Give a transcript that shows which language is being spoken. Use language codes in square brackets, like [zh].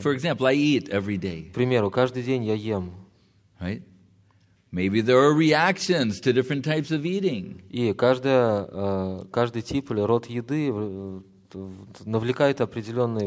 [en] For example, I eat every day. [ru] К примеру, каждый день я ем. [en] Right? Maybe there are reactions to different types of eating. [ru] И каждая, каждый тип или род еды навлекает определенные.